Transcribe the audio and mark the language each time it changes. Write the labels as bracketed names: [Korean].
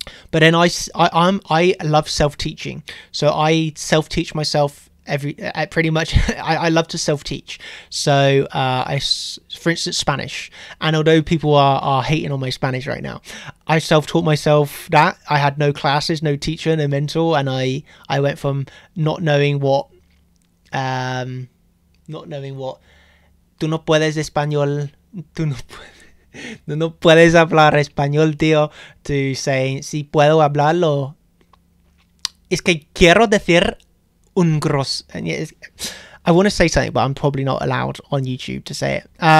[English] But then I love self-teaching, so I self-teach myself. I love to self-teach. So for instance, Spanish, and although people are hating on my Spanish right now, I self-taught myself that. I had no classes, no teacher, no mentor, and I went from not knowing what [Spanish] tú no puedes español, tú no puedes hablar español, tío, [English] to saying [Spanish] si puedo hablarlo, es que quiero decir un gros. [English] And yes, I want to say something, but I'm probably not allowed on YouTube to say it.